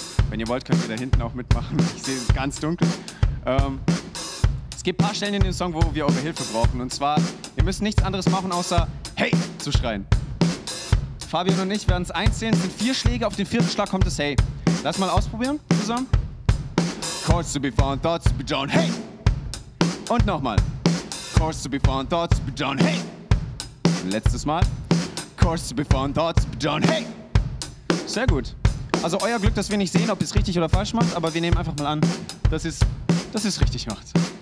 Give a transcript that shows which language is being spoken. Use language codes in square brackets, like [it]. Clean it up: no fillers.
[de] Wenn ihr wollt, könnt ihr da hinten auch mitmachen. Ich sehe es ganz dunkel. Es gibt ein paar Stellen in dem Song, wo wir eure Hilfe brauchen. Und zwar, ihr müsst nichts anderes machen, außer Hey zu schreien. Fabian und ich werden es einzählen. Es sind 4 Schläge. Auf den 4. Schlag kommt das Hey. Lass mal ausprobieren zusammen. [en] Calls to be found, thoughts to be done. Hey! [de] Und nochmal. [en] Calls to be found, thoughts to be done. Hey! [de] Und letztes Mal. [en] Calls to be found, thoughts to be done. [de] Hey! Sehr gut. Also euer Glück, dass wir nicht sehen, ob ihr es richtig oder falsch macht. Aber wir nehmen einfach mal an, dass ihr es richtig macht.